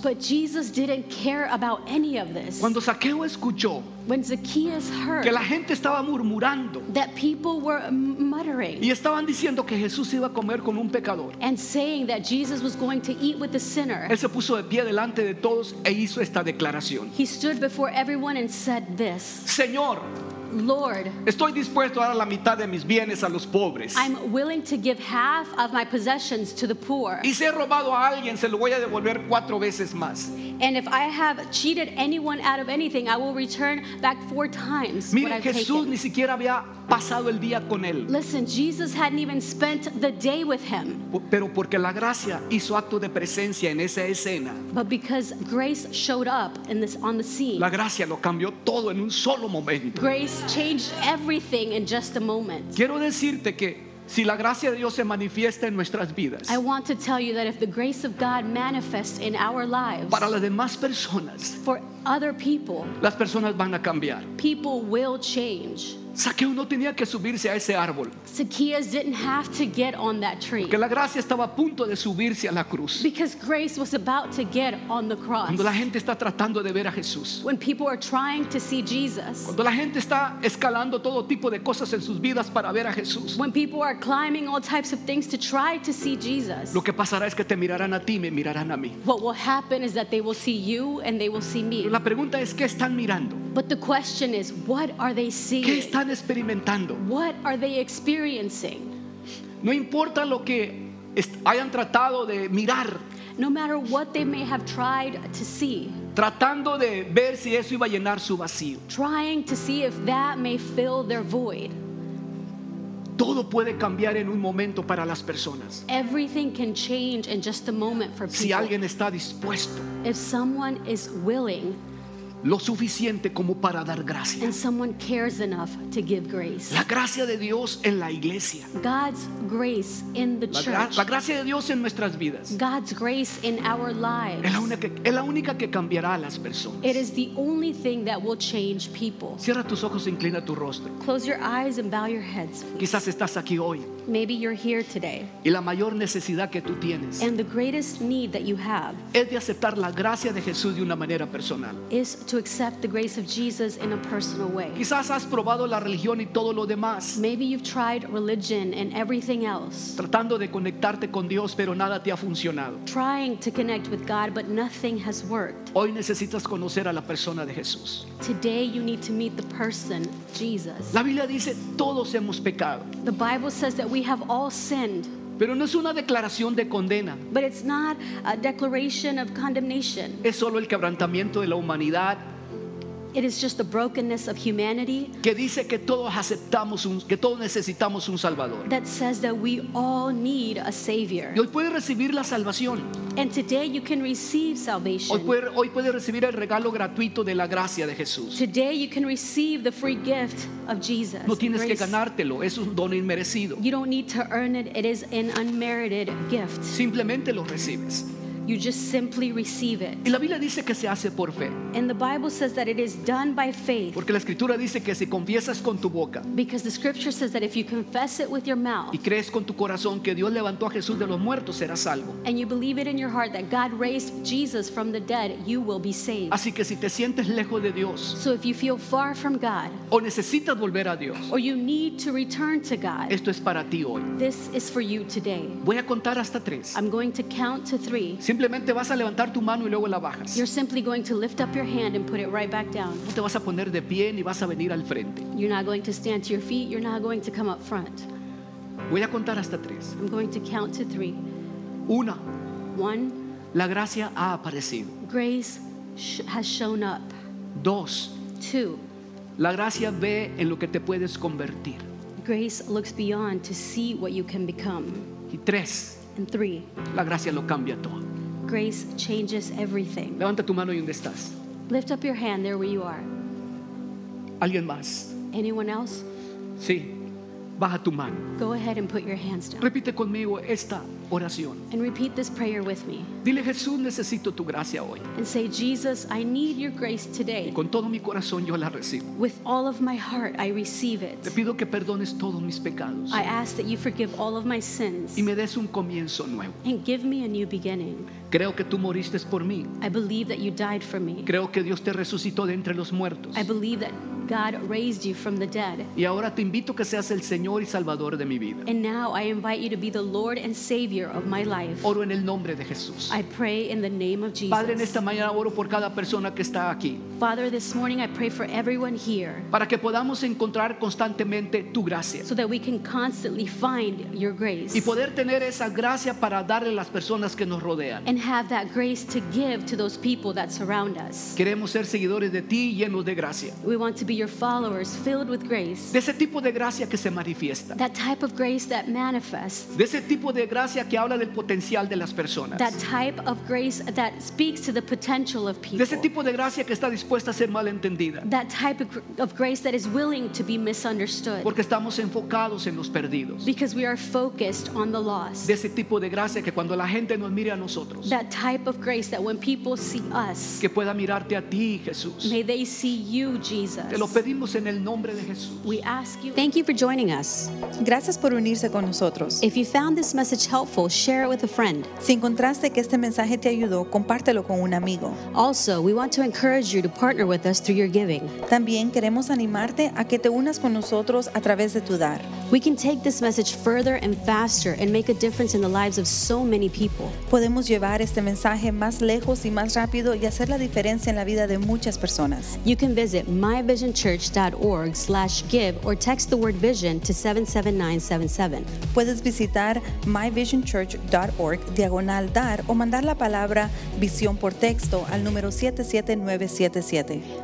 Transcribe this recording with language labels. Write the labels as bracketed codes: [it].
[en] But Jesus didn't care about any of this. [es] Cuando Zaqueo escuchó [en] when Zacchaeus heard [es] que la gente estaba murmurando [en] that people were muttering [es] y estaban diciendo que Jesús iba a comer con un pecador [en] and saying that Jesus was going to eat with the sinner, [es] él se puso de pie delante de todos e hizo esta declaración. [en] He stood before everyone and said this. [es] Señor, [en] Lord, [es] estoy dispuesto a dar la mitad de mis bienes a los pobres. [en] I'm willing to give half of my possessions to the poor. [es] Y si he robado a alguien, se lo voy a devolver cuatro veces más. [en] And if I have cheated anyone out of anything, I will return back four times. [es] Mire, [en] what I've [es] Jesús [en] taken. [es] Ni siquiera había pasado el día con él. [en] Listen, Jesus hadn't even spent the day with him. [es] Pero porque la gracia hizo acto de presencia en esa escena. [en] But because grace showed up in this on the scene. [es] La gracia lo cambió todo en un solo momento. [en] Grace changed everything in just a moment. [es] Quiero decirte que si la gracia de Dios se manifiesta en nuestras vidas, [en] I want to tell you that if the grace of God manifests in our lives, [es] para las demás personas, [en] for other people, [es] las personas van a cambiar. [en] People will change. [es] Zaqueo no tenía que subirse a ese árbol. [en] Zacchaeus didn't have to get on that tree. [es] Porque la gracia estaba a punto de subirse a la cruz. [en] Because grace was about to get on the cross. [es] Cuando la gente está tratando de ver a Jesús. [en] When people are trying to see Jesus. [es] Cuando la gente está escalando todo tipo de cosas en sus vidas para ver a Jesús. [en] When people are climbing all types of things to try to see Jesus. [es] Lo que pasará es que te mirarán a ti y me mirarán a mí. [en] What will happen is that they will see you and they will see me. [es] Pero la pregunta es, ¿qué están mirando? [en] But the question is, what are they seeing? [es] ¿Qué están experimentando? [en] What are they experiencing? [es] No importa lo que hayan tratado de mirar. [en] No matter what they may have tried to see. [es] Tratando de ver si eso iba a llenar su vacío. [en] Trying to see if that may fill their void. [es] Todo puede cambiar en un momento para las personas. [en] Everything can change in just a moment for people. [es] Si alguien está dispuesto. [en] If someone is willing. [es] Lo suficiente como para dar gracia. [en] And someone cares enough to give grace. [es] La gracia de Dios en la iglesia. [en] God's grace in the church. [es] La gracia de Dios en nuestras vidas. [en] God's grace in our lives. [es] Es la única que cambiará a las personas. [en] It is the only thing that will change people. [es] Cierra tus ojos e inclina tu rostro. [en] Close your eyes and bow your heads. [es] Quizás estás aquí hoy. [en] Maybe you're here today. [es] Y la mayor necesidad que tú tienes. [en] And the greatest need that you have. [es] Es de aceptar la gracia de Jesús de una manera personal. [en] Is to to accept the grace of Jesus in a personal way. [es] Quizás has probado la religión y todo lo demás. [en] Maybe you've tried religion and everything else. [es] Tratando de conectarte con Dios, pero nada te ha funcionado. [en] Trying to connect with God, but nothing has worked. [es] Hoy necesitas conocer a la persona de Jesús. [en] Today you need to meet the person, Jesus. [es] La Biblia dice, todos hemos pecado. [en] The Bible says that we have all sinned. [es] Pero no es una declaración de condena. [en] But it's not a declaration of condemnation. [es] Es solo el quebrantamiento de la humanidad. [en] It is just the brokenness of humanity. [es] Que dice que todos aceptamos un, que todos necesitamos un salvador. [en] That says that we all need a savior. [es] Y hoy puede recibir la salvación. [en] And today you can receive salvation. [es] Hoy puede recibir el regalo gratuito de la gracia de Jesús. [en] Today you can receive the free gift of Jesus. [es] No tienes que ganártelo, es un don inmerecido. [en] You don't need to earn it, it is an unmerited gift. [es] Simplemente lo recibes. [en] You just simply receive it. [es] Y la Biblia dice que se hace por fe. [en] And the Bible says that it is done by faith. [es] Porque la Escritura dice que si confiesas con tu boca. [en] Because the scripture says that if you confess it with your mouth. [es] Y crees con tu corazón que Dios levantó a Jesús de los muertos, serás salvo. [en] And you believe it in your heart that God raised Jesus from the dead, you will be saved. [es] Así que si te sientes lejos de Dios. [en] So if you feel far from God. [es] O necesitas volver a Dios. [en] Or you need to return to God. [es] Esto es para ti hoy. [en] This is for you today. [es] Voy a contar hasta tres. [en] I'm going to count to three. [es] Simplemente vas a levantar tu mano y luego la bajas. [en] You're simply going to lift up your hand and put it right back down. [es] No te vas a poner de pie ni vas a venir al frente. [en] You're not going to stand to your feet. You're not going to come up front. [es] Voy a contar hasta tres. [en] I'm going to count to three. [es] Una. [en] One. [es] La gracia ha aparecido. [en] Grace has shown up. [es] Dos. [en] Two. [es] La gracia ve en lo que te puedes convertir. [en] Grace looks beyond to see what you can become. [es] Y tres. [en] And three. [es] La gracia lo cambia todo. [en] Grace changes everything. [es] Levanta tu mano y donde estás. [en] Lift up your hand there where you are. [es] ¿Alguien más? [en] Anyone else? [es] Sí. Baja tu mano. [en] Go ahead and put your hands down. [es] Repite conmigo esta oración. [en] And repeat this prayer with me. [es] Dile, Jesús, necesito tu gracia hoy. [en] And say, Jesus, I need your grace today. [es] Y con todo mi corazón yo la recibo. [en] With all of my heart, I receive it. [es] Te pido que perdones todos mis pecados. [en] I ask that you forgive all of my sins. [es] Y me des un comienzo nuevo. [en] And give me a new beginning. [es] Creo que tú moriste por mí. [en] I believe that you died for me. [es] Creo que Dios te resucitó de entre los muertos. [en] I believe that God raised you from the dead. [es] Y ahora te invito que seas el Señor y Salvador de mi vida. [en] And now I invite you to be the Lord and Savior of my life. [es] Oro en el nombre de Jesús. [en] I pray in the name of Jesus. [es] Padre, en esta mañana oro por cada persona que está aquí. [en] Father, this morning I pray for everyone here. [es] Para que podamos encontrar constantemente tu gracia. [en] So that we can constantly find your grace. [es] Y poder tener esa gracia para darle a las personas que nos rodean. [en] And have that grace to give to those people that surround us. [es] Queremos ser seguidores de ti llenos de gracia. [en] We want to be your followers filled with grace. [es] De ese tipo de gracia que se manifiesta. [en] That type of grace that manifests. [es] De ese tipo de gracia que habla del potencial de las personas. [en] That type of grace that speaks to the potential of people. [es] De ese tipo de gracia que está dispuesta a ser malentendida. [en] That type of grace that is willing to be misunderstood. [es] Porque estamos enfocados en los perdidos. [en] Because we are focused on the lost. [es] De ese tipo de gracia que cuando la gente nos mire a nosotros. [en] That type of grace that when people see us. [es] Que pueda mirarte a ti, Jesús. [en] May they see you, Jesus. [es] Te lo pedimos en el nombre de Jesús. [en] We ask you. Thank you for joining us. [es] Gracias por unirse con nosotros. [en] If you found this message helpful, share it with a friend. [es] Si encontraste que este mensaje te ayudó, compártelo con un amigo. [en] Also, we want to encourage you to partner with us through your giving. [es] También queremos animarte a que te unas con nosotros a través de tu dar. [en] We can take this message further and faster and make a difference in the lives of so many people. [es] Podemos llevar este mensaje más lejos y más rápido y hacer la diferencia en la vida de muchas personas. [en] You can visit myvisionchurch.org/give or text the word vision to 77977. [es] Puedes visitar myvisionchurch.org/dar o mandar la palabra visión por texto al número 77977.